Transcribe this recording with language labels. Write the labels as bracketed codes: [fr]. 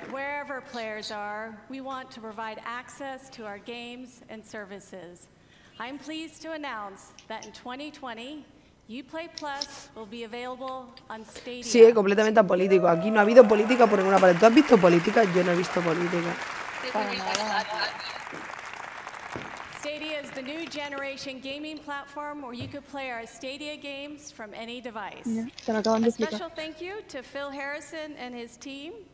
[en] Wherever players are, we want to provide access to our games and services. I'm pleased to announce that in 2020, Uplay Plus will be available on Stadia. [es] Sí, completamente apolítico. Aquí no ha habido política por ninguna parte. ¿Tú has visto política? Yo no he visto política. [en] Stadia is the new generation gaming platform where you could play our Stadia games from any device. [es] Te lo acaban de explicar. [en] A special thank you to Phil Harrison and his team.